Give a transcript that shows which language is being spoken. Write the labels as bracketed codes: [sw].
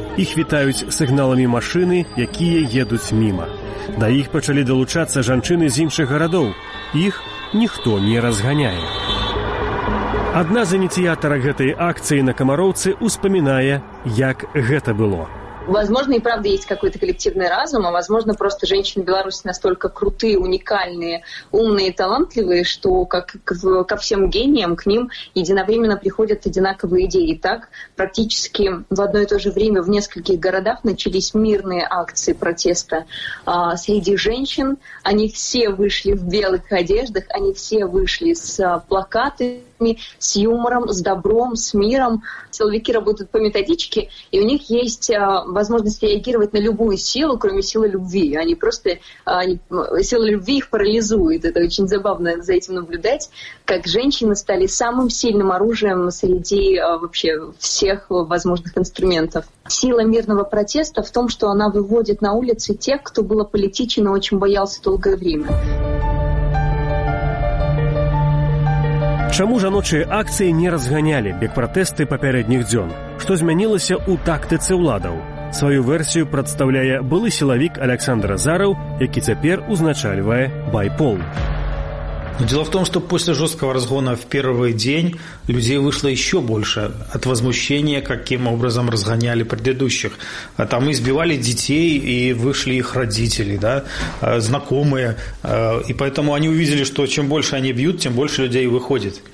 [be] Іх вітаюць сігналамі машыны, якія едуць міма. Да іх пачалі далучацца жанчыны з іншых гарадоў. Іх ніхто не разганяе. Адна з ініцыятарак гэтай акцыі на Камароўцы успамінае, як гэта было. [ru] Возможно, и правда есть какой-то коллективный разум, а возможно, просто женщины Беларуси настолько крутые, уникальные, умные, талантливые, что как ко всем гениям к ним единовременно приходят одинаковые идеи. И так практически в одно и то же время в нескольких городах начались мирные акции протеста среди женщин. Они все вышли в белых одеждах, они все вышли с плакатами, с юмором, с добром, с миром. Силовики работают по методичке, и у них есть возможность реагировать на любую силу, кроме силы любви. Они просто... сила любви их парализует. Это очень забавно за этим наблюдать, как женщины стали самым сильным оружием среди вообще всех возможных инструментов. Сила мирного протеста в том, что она выводит на улицы тех, кто был аполитичен и очень боялся долгое время. [be] Чаму жаночыя акцыі не разганялі бег-пратэсты папярэдніх дзён? Што змянілася ў тактыцы ўладаў? Сваю версію прадстаўляе былы сілавік Александр Азараў, які цяпер узначальвае байпол. [ru] Дело в том, что после жесткого разгона в первый день людей вышло еще больше от возмущения, каким образом разгоняли предыдущих. А там избивали детей, и вышли их родители, да, знакомые. И поэтому они увидели, что чем больше они бьют, тем больше людей выходит.